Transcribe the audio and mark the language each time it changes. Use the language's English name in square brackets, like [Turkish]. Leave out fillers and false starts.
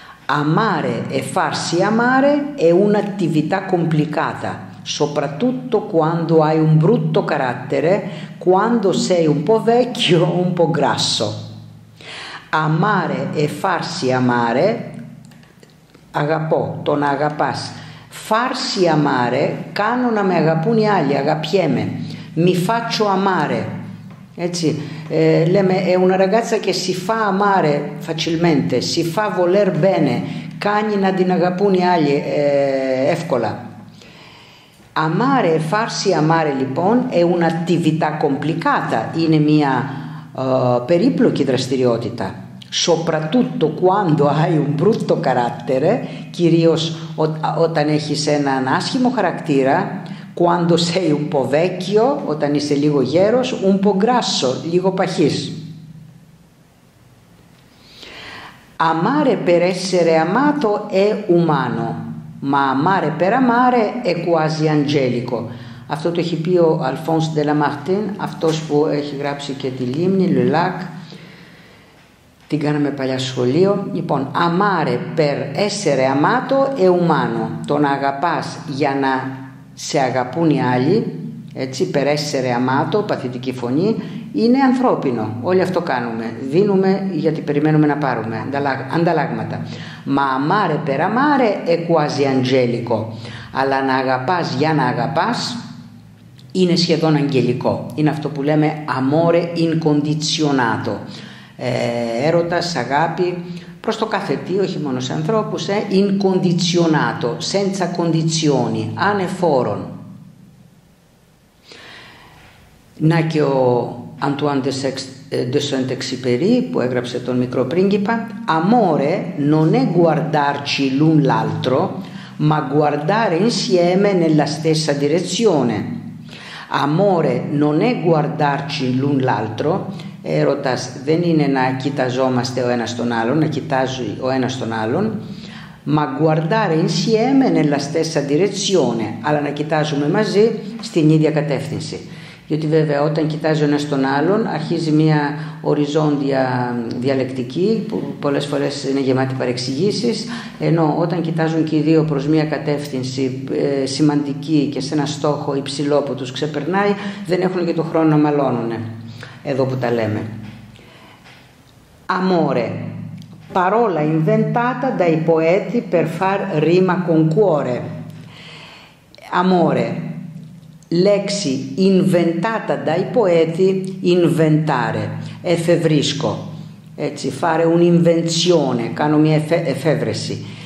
[Italian] Amare e farsi amare è un'attività complicata, soprattutto quando hai un brutto carattere, quando sei un po' vecchio, un po' grasso. Amare e farsi amare, [Greek] αγαπώ, τον αγαπάς. [Italian] Farsi amare, [Greek] κάνω να με αγαπούν οι άλλοι, αγαπιέμαι. [Italian] Mi faccio amare. [Greek] Έτσι, λέμε, [Italian] è una ragazza che si fa amare facilmente, si fa voler bene, [Greek] κάνει να την αγαπούν οι άλλοι εύκολα. [Italian] Amare, farsi amare, λοιπόν, è un'attività complicata, [Greek] είναι μια περίπλοκη δραστηριότητα. [Italian] Soprattutto quando hai un brutto carattere, [Greek] κυρίως όταν έχεις έναν άσχημο χαρακτήρα, [Italian] quando sei un po' vecchio, [Greek] όταν είσαι λίγο γέρος, [Italian] un po' grasso, [Greek] λίγο παχής. [Italian] Amare per essere amato è umano, ma amare per amare è quasi angelico. [Greek] Αυτό το έχει πει ο Alphonse de Lamartine, αυτός που έχει γράψει και τη Λίμνη, Le Lac, την κάναμε παλιά σχολείο. Λοιπόν, [Italian] amare per essere amato è umano, [Greek] το να αγαπάς για να σε αγαπούν οι άλλοι, έτσι, [Italian] per essere amato, [Greek] παθητική φωνή, είναι ανθρώπινο. Όλοι αυτό κάνουμε. Δίνουμε γιατί περιμένουμε να πάρουμε ανταλλάγματα. [Italian] Ma amare per amare è quasi angelico. [Greek] Αλλά να αγαπάς για να αγαπάς είναι σχεδόν αγγελικό. Είναι αυτό που λέμε amore incondizionato. έρωτας, αγάπη, προς το κάθε τι, όχι μόνο σε ανθρώπους, incondizionato, [Italian] senza condizioni, [Greek] ανεφόρον. Να και ο Antoine de Saint-Exupéry που έγραψε τον Μικρό Πρίγκιπα, [Italian] amore non è guardarci l'un l'altro, ma guardare insieme nella stessa direzione. Amore non è guardarci l'un l'altro, [Greek] έρωτας δεν είναι να κοιταζόμαστε ο ένας τον άλλον, να κοιτάζει ο ένας τον άλλον, [Italian] ma guardare insieme nella stessa direzione, [Greek] αλλά να κοιτάζουμε μαζί στην ίδια κατεύθυνση. Γιατί βέβαια όταν κοιτάζει ο ένας τον άλλον αρχίζει μια οριζόντια διαλεκτική που πολλές φορές είναι γεμάτη παρεξηγήσεις, ενώ όταν κοιτάζουν και οι δύο προς μια κατεύθυνση σημαντική και σε ένα στόχο υψηλό που τους ξεπερνάει, δεν έχουν και το χρόνο να μαλώνουν, εδώ που τα λέμε. [Italian] Amore, parola inventata dai poeti per far rima con cuore. Amore, λέξη inventata dai poeti, inventare, εφευρίσκω, έτσι, fare un'invenzione, [Greek] κάνω μια εφεύρεση.